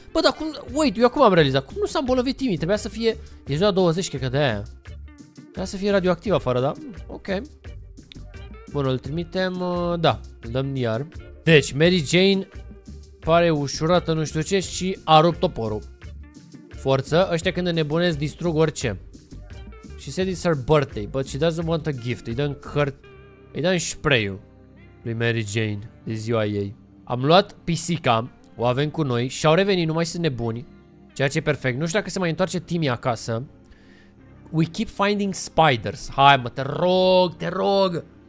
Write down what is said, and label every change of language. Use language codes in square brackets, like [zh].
[ro] Bă, dar cum, wait, eu acum am realizat. Cum nu s-a îmbolnăvit Timi? Trebuia să fie, e ziua 20, cred că de aia. Trebuia să fie radioactiv afară, da? Ok. Bun, îl trimitem, da, îl dăm iar. Deci, Mary Jane pare ușurată, nu știu ce, și a rupt toporul. Forță, ăștia când înnebunesc, distrug orice. [en] She said it's her birthday, but she doesn't want a gift. [ro] Îi dăm cărți. Îi dăm spray-ul lui Mary Jane de ziua ei. Am luat pisica, o avem cu noi și au revenit, nu mai sunt nebuni, ceea ce e perfect. Nu știu dacă se mai întoarce Timi acasă. [en] We keep finding spiders. [ro] Hai mă, te rog, te rog.